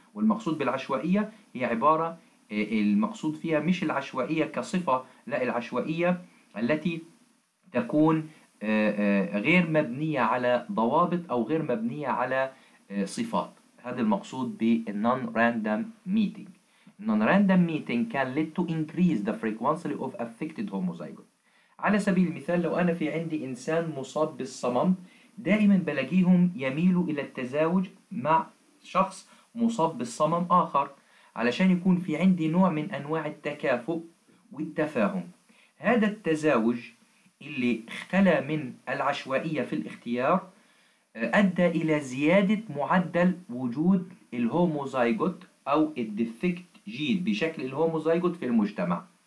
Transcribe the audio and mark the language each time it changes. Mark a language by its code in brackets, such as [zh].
[ar] والمقصود بالعشوائية هي عبارة المقصود فيها مش العشوائية كصفة، لا، العشوائية التي تكون غير مبنية على ضوابط أو غير مبنية على صفات. هذا المقصود بالنون-random meeting. [en] Non-random meeting can lead to increase the frequency of affected homozygote. [ar] على سبيل المثال لو أنا في عندي إنسان مصاب بالصمم دائما بلاقيهم يميلوا إلى التزاوج مع شخص مصاب بالصمم آخر علشان يكون في عندي نوع من أنواع التكافؤ والتفاهم. هذا التزاوج اللي خلى من العشوائية في الاختيار أدى إلى زيادة معدل وجود الهوموزايجوت أو الديفكت جين بشكل الهوموزايجوت في المجتمع.